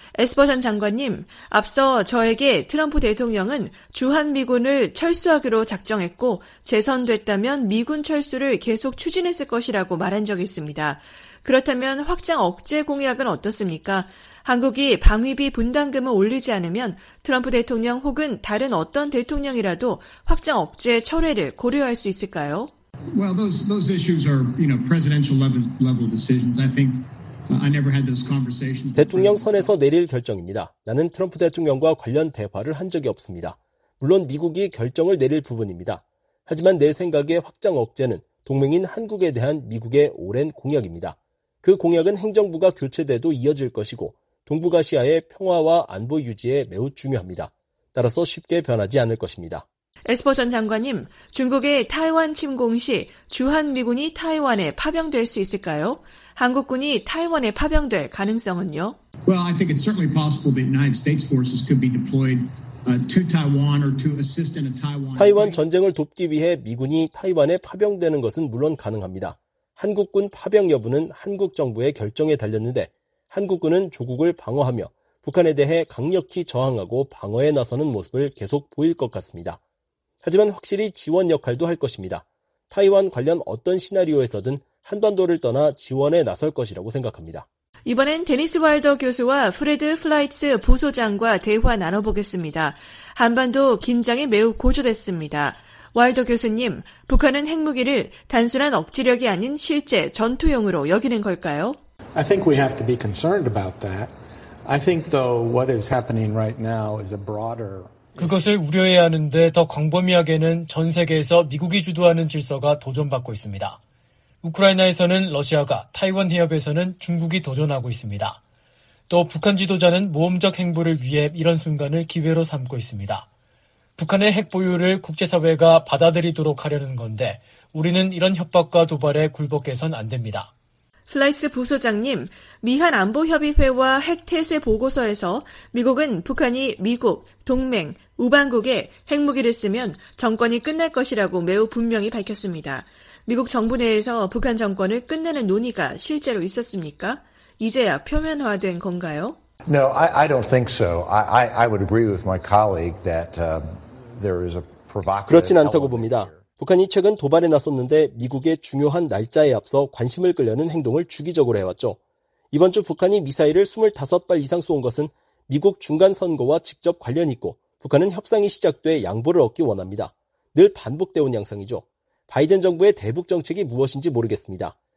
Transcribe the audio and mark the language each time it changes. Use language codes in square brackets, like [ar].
[ko] 에스퍼 전 장관님, 앞서 저에게 트럼프 대통령은 주한미군을 철수하기로 작정했고 재선됐다면 미군 철수를 계속 추진했을 것이라고 말한 적이 있습니다. 그렇다면 확장 억제 공약은 어떻습니까? 한국이 방위비 분담금을 올리지 않으면 트럼프 대통령 혹은 다른 어떤 대통령이라도 확장 억제 철회를 고려할 수 있을까요? [en] Well, those issues are, you know, presidential level decisions. I think I never had those conversations. [ko] 대통령 선에서 내릴 결정입니다. 나는 트럼프 대통령과 관련 대화를 한 적이 없습니다. 물론 미국이 결정을 내릴 부분입니다. 하지만 내 생각에 확장 억제는 동맹인 한국에 대한 미국의 오랜 공약입니다. 그 공약은 행정부가 교체돼도 이어질 것이고 동북아시아의 평화와 안보 유지에 매우 중요합니다. 따라서 쉽게 변하지 않을 것입니다. 에스퍼 전 장관님, 중국의 타이완 침공 시 주한미군이 타이완에 파병될 수 있을까요? 한국군이 타이완에 파병될 가능성은요? [en] Well, I think it's certainly possible that United States forces could be deployed to Taiwan or to assist in a Taiwan. [ko] 타이완 전쟁을 돕기 위해 미군이 타이완에 파병되는 것은 물론 가능합니다. 한국군 파병 여부는 한국 정부의 결정에 달렸는데 한국군은 조국을 방어하며 북한에 대해 강력히 저항하고 방어에 나서는 모습을 계속 보일 것 같습니다. 하지만 확실히 지원 역할도 할 것입니다. 타이완 관련 어떤 시나리오에서든 한반도를 떠나 지원에 나설 것이라고 생각합니다. 이번엔 데니스 와일더 교수와 프레드 플라이츠 보소장과 대화 나눠보겠습니다. 한반도 긴장이 매우 고조됐습니다. 와일더 교수님, 북한은 핵무기를 단순한 억지력이 아닌 실제 전투용으로 여기는 걸까요? [en] I think we have to be concerned about that. I think though what is happening right now is a broader [ko] 그것을 우려해야 하는데 더 광범위하게는 전 세계에서 미국이 주도하는 질서가 도전받고 있습니다. 우크라이나에서는 러시아가, 타이완 해협에서는 중국이 도전하고 있습니다. 또 북한 지도자는 모험적 행보를 위해 이런 순간을 기회로 삼고 있습니다. 북한의 핵 보유를 국제사회가 받아들이도록 하려는 건데 우리는 이런 협박과 도발에 굴복해선 안 됩니다. 플라이스 부소장님, 미한안보협의회와 핵태세 보고서에서 미국은 북한이 미국, 동맹, 우방국에 핵무기를 쓰면 정권이 끝날 것이라고 매우 분명히 밝혔습니다. 미국 정부 내에서 북한 정권을 끝내는 논의가 실제로 있었습니까? 이제야 표면화된 건가요? [en] No, I don't think so. I would agree with my colleague that there is a provocative. [ko] 그렇진 않다고 봅니다. 북한이 최근 도발에 나섰는데 미국의 중요한 날짜에 앞서 관심을 끌려는 행동을 주기적으로 해왔죠. 이번 주 북한이 미사일을 25발 이상 쏘은 것은 미국 중간선거와 직접 관련 있고 북한은 협상이 시작돼 양보를 얻기 원합니다. 늘 반복되어 온 양상이죠. 바이든 정부의 대북 정책이 무엇인지 모르겠습니다.